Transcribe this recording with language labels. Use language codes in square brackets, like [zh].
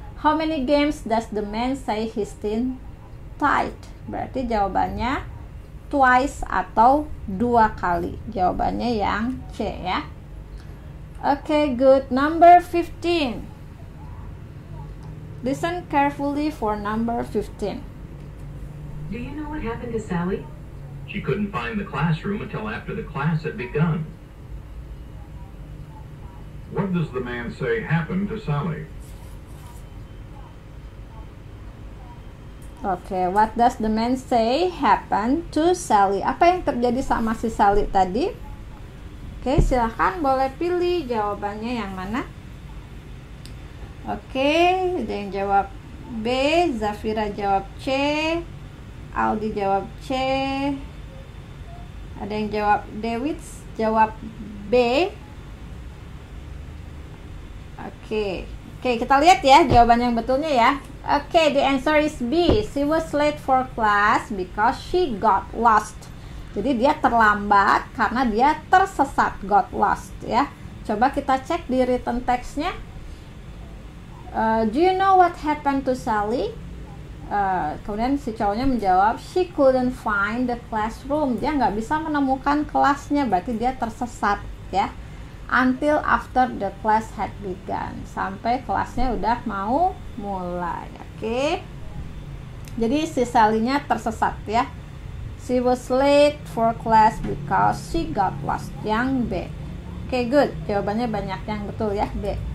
[en] How many games does the man say his team tied? [id] Berarti jawabannya twice atau 2 kali. Jawabannya yang C ya. [en] Okay, good. Number 15. Listen carefully for number 15. Do you know what happened to Sally? She couldn't find the classroom until after the class had begun. What does the man say happened to Sally? Okay, what does the man say happened to Sally? [id] Apa yang terjadi sama si Sally tadi? Oke, silakan boleh pilih jawabannya yang mana. Oke, ada yang jawab B, Zafira jawab C, Aldi jawab C, ada yang jawab Dewit jawab B. Oke, kita lihat ya jawaban yang betulnya ya. [en] Oke, the answer is B. She was late for class because she got lost. [id] Jadi dia terlambat karena dia tersesat, [en] got lost [id] ya. Coba kita cek di written text-nya. [en] Do you know what happened to Sally? [id] Kemudian si cowoknya menjawab, [en] she couldn't find the classroom. [id] Dia nggak bisa menemukan kelasnya, berarti dia tersesat ya. [en] Until after the class had begun. [id] Sampai kelasnya udah mau mulai, oke. Jadi si Sally-nya tersesat ya. [en] She was late for class because she got lost. [id] Yang B. [en] Okay, good. [id] Jawabannya banyak yang betul ya, B.